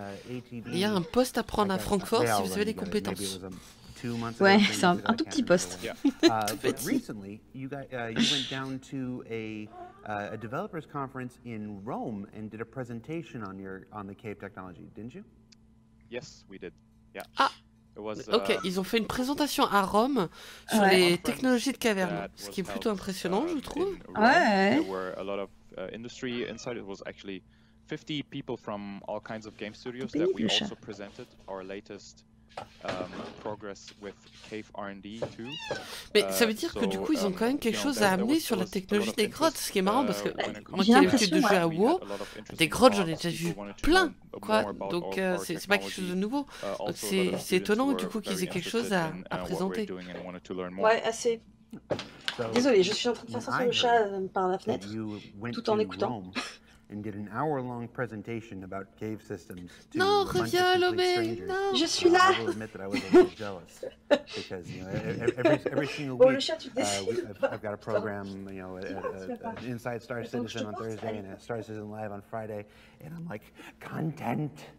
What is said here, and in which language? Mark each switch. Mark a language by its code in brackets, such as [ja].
[fr] Il y a un poste à prendre à Francfort si vous avez des compétences. Ouais, c'est un tout petit poste. Tout petit. [en] Recently, you went down to a developers conference in Rome and did a presentation on the cave technology, didn't you? Yes, we did. Yeah. Ah. [fr] Ok, ils ont fait une présentation à Rome sur les technologies de caverne, ce qui est plutôt impressionnant, je trouve. Ouais. [en] There were a lot of industry inside. It was actually 50 people from all kinds of game studios that we also presented our latest progress with cave R&D too. [fr] Mais ça veut dire que du coup ils ont quand même quelque chose à amener sur la technologie des grottes, ce qui est marrant parce que moi qui ai l'habitude de jouer à WoW, des grottes j'en ai déjà vu plein, quoi. Donc c'est pas quelque chose de nouveau. Donc c'est étonnant du coup qu'ils aient quelque chose à présenter. Ouais, assez. Désolé, je suis en train de faire ça sur le chat par la fenêtre, tout en écoutant. [en] And did an hour-long presentation about cave systems to [fr] non, reviens, Lomé, non, je suis là. [en] I will admit that I was a little jealous because you know every single [fr] bon, [en] week I've got a program you know inside Star Citizen on Thursday and Star Citizen Live on Friday and I'm like content.